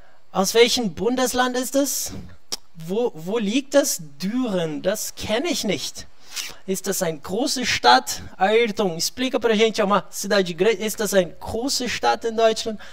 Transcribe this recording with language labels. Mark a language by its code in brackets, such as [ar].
[de] Aus welchem Bundesland ist das? Wo liegt das? Düren, das kenne ich nicht. Ist das eine große Stadt? [pt] Ayrton, explica pra gente uma cidade grande. [de] Ist das eine große Stadt in Deutschland?